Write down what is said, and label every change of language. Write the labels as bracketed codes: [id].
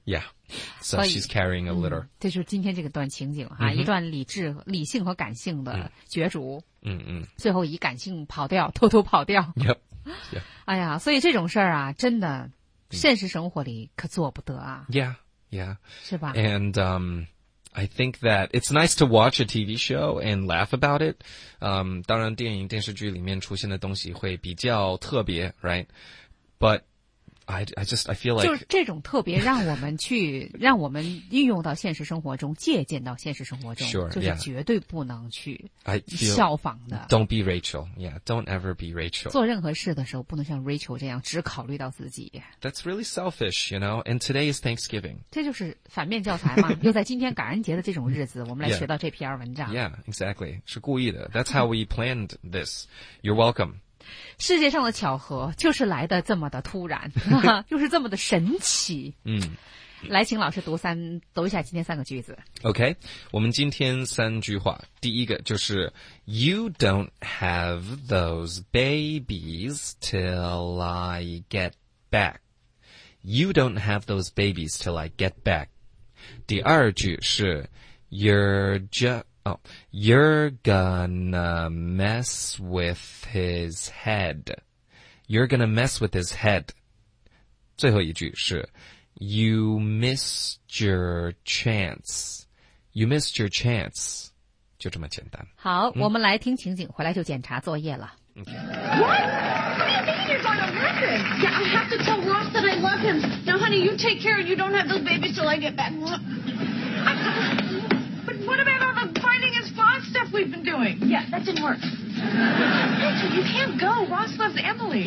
[en] Yeah. So she's carrying a litter.、 [zh] 这就是今天这个段情景啊、一段理性和感性的角逐。最后以感性跑掉，偷偷跑掉。 [en] Yep. [zh] 哎呀，所以这种事儿啊真的。现实生活里可做不得啊。 [en] Yeah, yeah. [zh] 是吧 [en] ?And, I think that it's nice to watch a TV show and laugh about it. [zh] 当然电影电视剧里面出现的东西会比较特别 ,right? [en] But, I feel like. [zh] 就是这种特别让我们运用到现实生活中，借鉴到现实生活中。 [en] Sure, [zh] 就是绝对不能去效仿的。 [en] Don't be Rachel. Yeah, don't ever be Rachel. [zh] 做任何事的时候不能像 Rachel 这样只考虑到自己。 [en] That's really selfish, you know, and today is Thanksgiving. [zh] 这就是反面教材嘛，又在今天感恩节的这种日子，我们来学到这篇文章。 [en] Yeah, exactly. [zh] 是故意的。 [en] That's how we planned this. You're welcome. [zh] 世界上的巧合就是来的这么的突然，又是这么的神奇。嗯，来，请老师读一下今天三个句子。 OK， 我们今天三句话，第一个就是 [en] You don't have those babies till I get back. You don't have those babies till I get back. [zh] 第二句是 [en] You're gonna mess with his head. You're gonna mess with his head. [zh] 最后一句是 [en] You missed your chance. You missed your chance. [zh] 就这么简单。好，我们来听情景，回来就检查作业了。 [en] Okay. What? What do you mean you're going to wreck him? Yeah, I have to tell Ross that I love him. Now, honey, you take care and you don't have those babies till I get back. But what about all the finding his boss stuff we've been doing? Yeah, that didn't work. Rachel, you can't go. Ross loves Emily.